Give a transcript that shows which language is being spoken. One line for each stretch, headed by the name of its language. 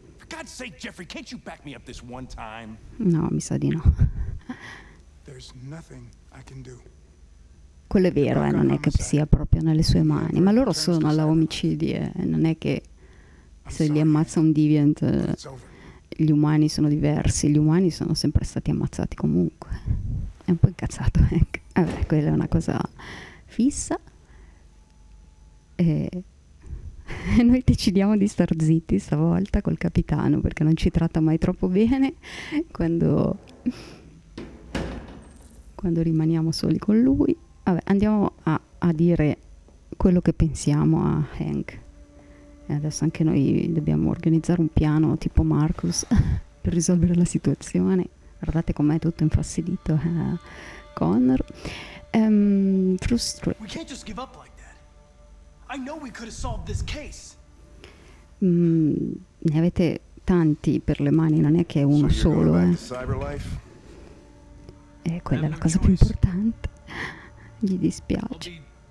English: God's sake, Jeffrey, can't you back me up this one time?
Italian: No, mi sa di no.
English: There's nothing I can do.
Italian: Quello è vero, non è che sia proprio nelle sue mani. Ma loro sono alla omicidi, non è che se li ammazza un deviant gli umani sono diversi. Gli umani sono sempre stati ammazzati comunque. È un po' incazzato, eh? Vabbè, quella è una cosa fissa. E noi decidiamo di star zitti stavolta col capitano perché non ci tratta mai troppo bene quando rimaniamo soli con lui. Vabbè, andiamo a dire quello che pensiamo a Hank. E adesso anche noi dobbiamo organizzare un piano tipo Marcus per risolvere la situazione. Guardate com'è tutto infastidito, Connor. Frustrate.
English: I know we could have solved this case.
Italian: Ne avete tanti per le mani, non è che è uno solo, quella è la cosa più importante. Gli dispiace.